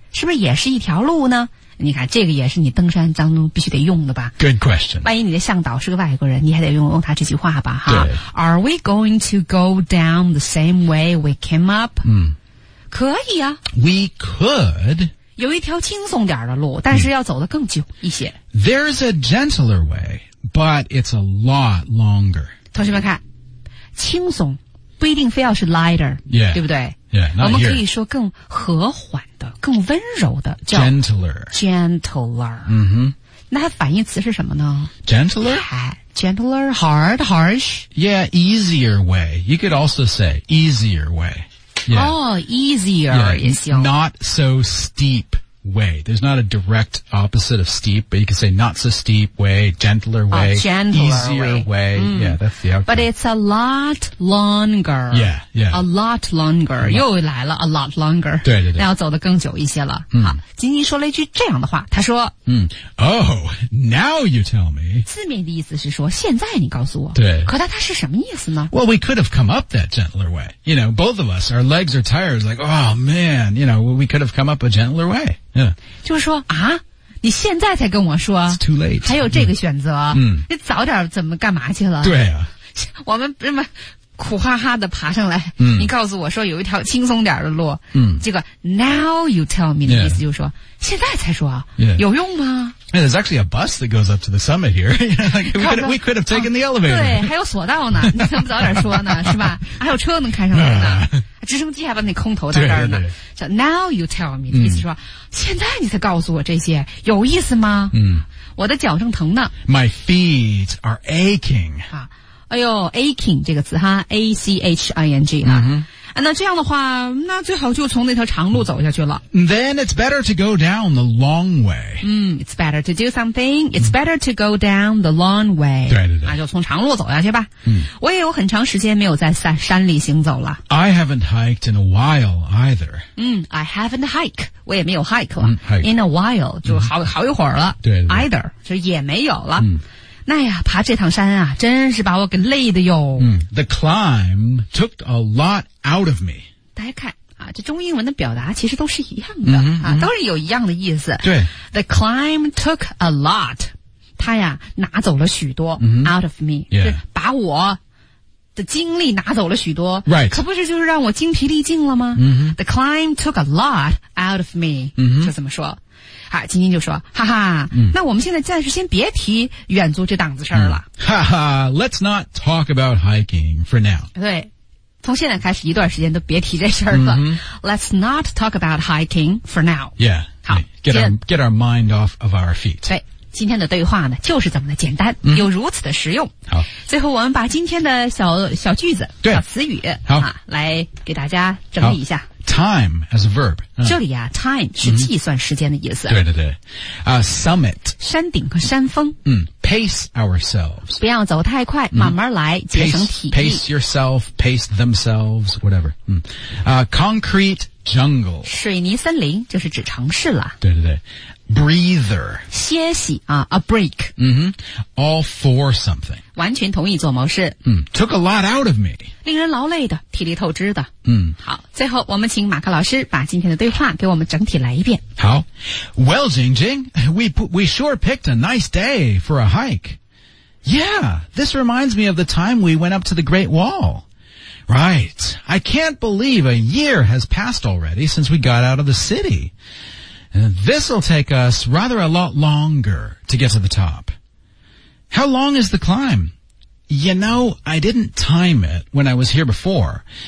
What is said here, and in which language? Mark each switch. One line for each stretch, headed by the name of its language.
Chinese: 是不是也是一条路呢你看这个也是你登山当中必须得用的吧
English: Good question
Chinese: 万一你的向导是个外国人你还得用他这句话吧哈。对
English: Are we going to go down the same way we came up、
Chinese: 嗯、可以啊
English: We could
Chinese: 有一条轻松点的路但是要走得更久一些
English: There's a gentler way But it's a lot longer
Chinese: 同学们看轻松不一定非要是 lighter、
English: yeah.
Chinese: 对不对
English: Yeah,
Chinese: 我们可以说更和缓的更温柔的叫
English: Gentler、mm-hmm.
Chinese: 那它反义词是什么呢
English: Gentler Gentler Hard Harsh Yeah easier way You could also say easier way yeah. Oh easier yeah, Not so steep way There's not a direct opposite of steep But you could say not so steep way Gentler way gentler Easier way、 mm. Yeah that's the outcome But it's a lot longer Yeah yeah. A lot longer a lot.
Chinese: 又来了
English: A lot longer
Chinese: 对对对那要走得更久一些了、嗯、好金金说了一句这样的话他说、
English: 嗯、Oh now you tell me
Chinese: 字面的意思是说现在你告诉我对可他是什么意思呢
English: Well we could have come up that gentler way You know both of us Our legs are tired Like oh man You know we could have come up a gentler way Yeah.
Chinese: 就是说啊你现在才跟我说
English: It's too late
Chinese: 还有这个选择、嗯、你早点怎么干嘛去了对啊我们这么苦哈哈的爬上来、嗯、你告诉我说有一条轻松点的路、嗯、这个
English: now you tell me
Chinese: 的意思就是说、yeah. 现在才说、
English: yeah.
Chinese: 有用吗
English: yeah, There's actually a bus that goes up to the summit here we could have taken the elevator
Chinese: 对还有索道呢你怎么早点说呢是吧还有车能开上来呢直升机还把那空投到这儿呢叫
English: now you tell me
Chinese: 的意思说、嗯、现在你才告诉我这些有意思吗、嗯、我的脚正疼呢
English: My feet are aching、
Chinese: 啊哎呦 aching 这个词哈 A-C-H-I-N-G、
English: mm-hmm.
Chinese: 啊、那这样的话那最好就从那条长路走下去了
English: Then it's better to go down the long way、嗯、It's better to do something It's better to go down the long way
Chinese: 对对对那就从长路走下去吧、嗯、我也有很长时间没有在山里行走了
English: I haven't hiked in a while either、嗯、I haven't hiked
Chinese: 我也没有 hike 了、
English: 嗯、hike. In a while
Chinese: 就 好,、嗯、好一会儿了对对对 Either 就也没有了、嗯那呀爬这趟山啊真是把我给累的哟、
English: 嗯、The climb took a lot out of me
Chinese: 大家看啊，这中英文的表达其实都是一样的、
English: mm-hmm,
Chinese: 啊， mm-hmm. 都是有一样的意思对
English: The climb took a lot
Chinese: 他呀拿走了许多、
English: mm-hmm. out of me、 yeah.
Chinese: 就把我的精力拿走了许多、
English: right.
Chinese: 可不是就是让我精疲力尽了吗、
English: mm-hmm. The climb took a lot out of me、 mm-hmm.
Chinese: 就这么说啊、金金就说哈哈、嗯、那我们现在暂时先别提远足这档子事儿了、嗯、
English: 哈哈 Let's not talk about hiking for now
Chinese: 对从现在开始一段时间都别提这事儿了、嗯、
English: Let's not talk about hiking for now Yeah
Chinese: 好
English: get our mind off of our feet
Chinese: 对今天的对话呢就是这么的简单、嗯、又如此的实用好最后我们把今天的小句子对小词语好、啊、来给大家整理一下
English: Time as a verb.、
Chinese: 这里啊 time 是计算时间的意思。对对对。Summit. 山顶和山峰。
English: 嗯 pace ourselves.
Chinese: 不要走太快、慢慢来节省体力。
English: Pace yourself, pace themselves, whatever.、Concrete jungle.
Chinese: 水泥森林就是指城市了。对对对。Breather. 歇息啊
English: a break.、 All for something.
Chinese: 完全同意做某事。
English: Took a lot out of me.
Chinese: 令人劳累的体力透支的嗯，好最后我们请马克老师把今天的对话给我们整体来一遍
English: 好 Well Jingjing we sure picked a nice day for a hike Yeah This reminds me of the time we went up to the Great Wall Right I can't believe a year has passed already since we got out of the city This'll take us rather a lot longer to get to the top How long is the climbYou know, I didn't time it when I was here before.